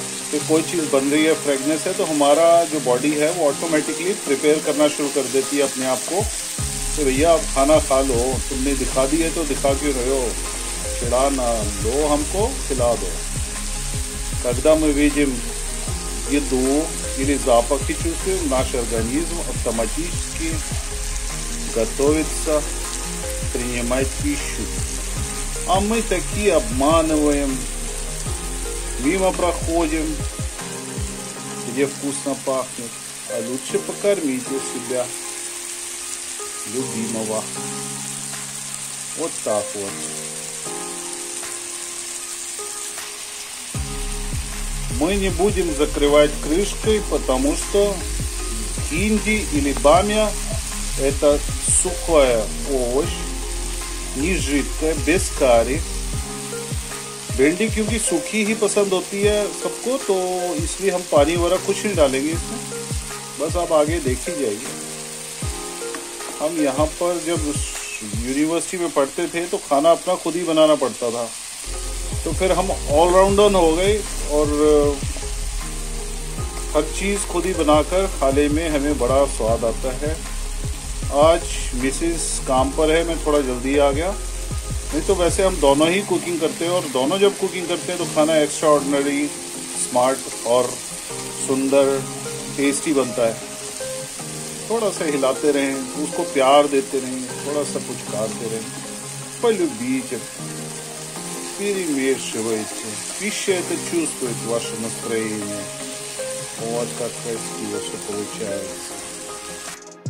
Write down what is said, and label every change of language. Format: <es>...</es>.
<hi>कि कोई चीज़ बन रही है फ्रेगनेंस है तो हमारा जो बॉडी है वो ऑटोमेटिकली प्रिपेयर करना शुरू कर देती है अपने आप को कि भैया आप खाना खा लो तुमने दिखा दिए तो दिखा क्यों रहे हो खिला ना लो हमको खिला दो</hi> <ru>Когда мы видим еду или запахи чувствуем, наш организм автоматически готовится принимать пищу. А мы такие обманываем, мимо проходим, где вкусно пахнет. А лучше покормите себя любимого. Вот так вот. Мы не будем закрывать крышкой, потому что хинди или бамя – это сухая овощ, не жидкая, без карри.</ru> <hi>Бенди, क्योंकि</hi> <ru>сухий</ru> <hi>ही पसंद होती है सबको, то इसलिए हम पानी वगैरह कुछ नहीं डालेंगे इसमें. बस आप आगे देख ही जाइए. हम यहाँ पर जब यूनिवर्सिटी में पढ़ते थे, तो खाना अपना खुद ही बनाना पड़ता था. तो फिर हम ऑलराउंडर हो गए और हर चीज़ खुद ही बनाकर खाने में हमें बड़ा स्वाद आता है आज मिसेस काम पर है मैं थोड़ा जल्दी आ गया नहीं तो वैसे हम दोनों ही कुकिंग करते हैं और दोनों जब कुकिंग करते हैं तो खाना एक्स्ट्रा ऑर्डिनरी स्मार्ट और सुंदर टेस्टी बनता है थोड़ा सा हिलाते रहें उसको प्यार देते रहें थोड़ा सा कुछ खाते रहें पहले बीच</hi> <ru>перемешивайте. Пища это чувствует ваше настроение. Вот как красиво все получается.</ru>